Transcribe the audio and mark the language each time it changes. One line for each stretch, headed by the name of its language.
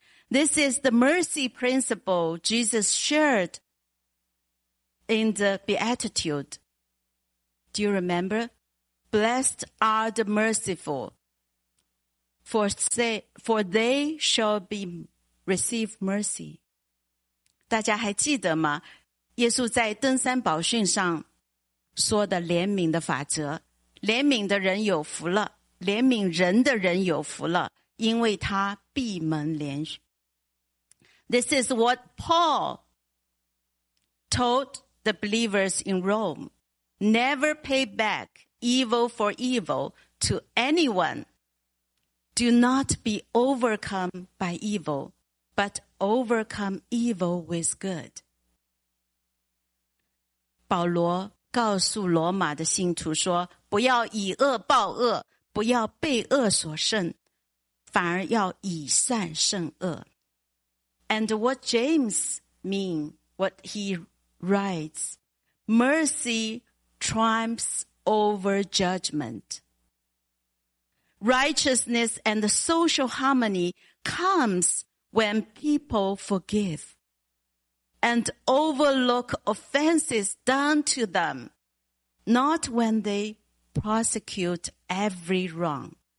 English: This is the mercy principle Jesus shared in the Beatitude. Do you remember? Blessed are the merciful, for they shall be receive mercy.
Chinese: 大家还记得吗？耶稣在登山宝训上说的怜悯的法则，怜悯的人有福了，怜悯人的人有福了，因为他必蒙怜恤。
English: This is what Paul told the believers in Rome. Never pay back evil for evil to anyone. Do not be overcome by evil, but overcome evil with good.
Chinese: 保罗告诉罗马的信徒说，不要以恶报恶，不要被恶所胜，反而要以善胜恶。
English: And what James means, what he writes, mercy triumphs over judgment. Righteousness and social harmony comes when people forgive and overlook offenses done to them, not when they prosecute every wrong.